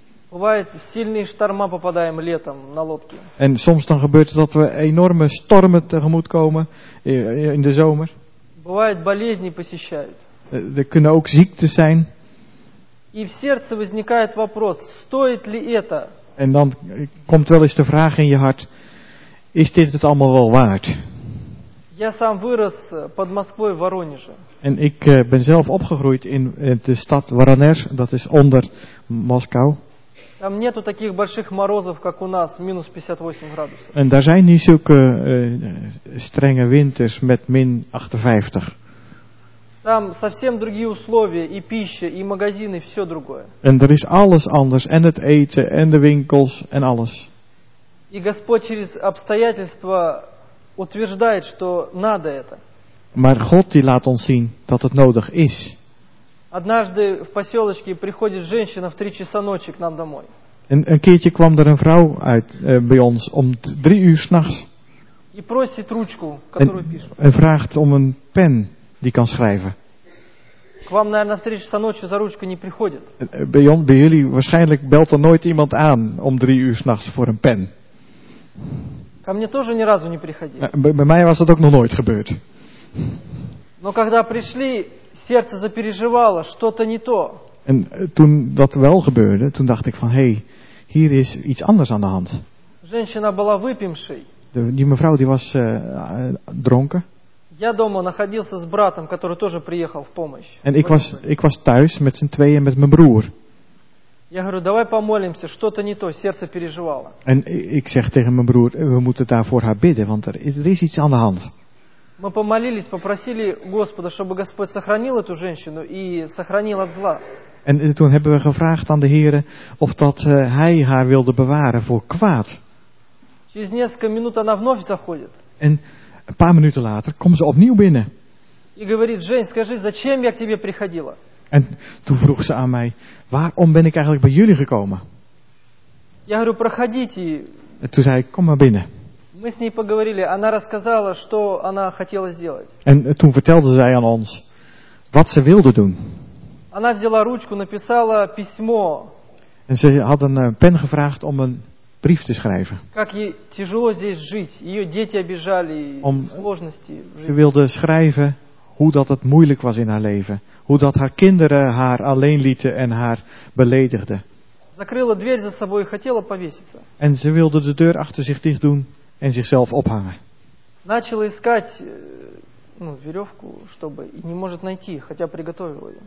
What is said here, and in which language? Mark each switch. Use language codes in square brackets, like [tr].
[ru] Бывает в сильные шторма попадаем летом на лодке. [nl] En soms dan gebeurt het dat we enorme stormen tegemoet komen in de zomer. [ru] Бывают болезни посещают. [nl] Er kunnen ook ziektes zijn. [ru] И в сердце возникает вопрос, стоит ли это? [nl] En dan komt wel eens de vraag in je hart, Is dit het allemaal wel waard? [ru] Я сам вырос под Москвой в Воронеже. [nl] En ik ben zelf opgegroeid in de stad Воронеж, dat is onder Moskou. [ru] Там нету таких больших морозов, как у нас, минус 58 градусов. [nl] En daar zijn niet zulke strenge winters met min 58. [ru] Там совсем другие условия, и пища, и магазины, и все другое. [nl] En er is alles anders, en het eten, en de winkels, en alles. [ru] И Господь через обстоятельства утверждает, что надо это. [nl] Maar God die laat ons zien dat het nodig is. [ru] Однажды в поселочке приходит женщина в 3 часа ночи к нам домой. [nl] Een keertje kwam er een vrouw uit bij ons om 3 uur 's nachts. [ru] И просит ручку, которую пишет. [nl] En vraagt om een pen die kan schrijven. [ru] К вам, наверное, в 3 часа ночи за ручкой не приходит. [nl] Bij jullie waarschijnlijk belt er nooit iemand aan om 3 uur 's nachts voor een pen. [ru] Ко мне тоже ни разу не приходили. [nl] Bij mij was dat ook nog nooit gebeurd. [ru] Но когда пришли, сердце запереживало, что-то не то. [nl] En toen dat wel gebeurde, toen dacht ik van, hey, hier is iets anders aan de hand. [ru] Женщина была выпившей. [nl] Die mevrouw die was dronken. [ru] Я дома находился с братом, который тоже приехал в помощь. [nl] En ik was thuis met z'n tweeën met mijn broer. [ru] Я говорю, давай помолимся, что-то не то, сердце переживало. [nl] En ik zeg tegen mijn broer, we moeten daarvoor haar bidden, want er is iets aan de hand. [ru] Мы помолились, попросили Господа, чтобы Господь сохранил эту женщину и сохранил от зла. [nl] En toen hebben we gevraagd aan de Heere of dat hij haar wilde bewaren voor kwaad. [ru] Через несколько минут она вновь заходит. [nl] En een paar minuten later komt ze opnieuw binnen. [ru] И говорит, Жень, скажи, зачем я к тебе приходила? [nl] En toen vroeg ze aan mij, waarom ben ik eigenlijk bij jullie gekomen? [ru] Я говорю, проходите. [nl] En toen zei ik, kom maar binnen. [ru] Мы с ней поговорили, она рассказала, что она хотела сделать. [nl] En toen vertelde zij aan ons wat ze wilde doen. [ru] Она взяла ручку, написала письмо. [nl] En ze had een pen gevraagd om een brief te schrijven. [ru] Как ей тяжело здесь жить, ее дети обижали, сложности. [nl] Ze wilde schrijven hoe dat het moeilijk was in haar leven, hoe dat haar kinderen haar alleen lieten en haar beledigden. [ru] Закрыла дверь за собой и хотела повеситься. [nl] En ze wilde de deur achter zich dicht doen. En zichzelf ophangen. [ru] Начала искать веревку, чтобы не может найти, хотя приготовила ее.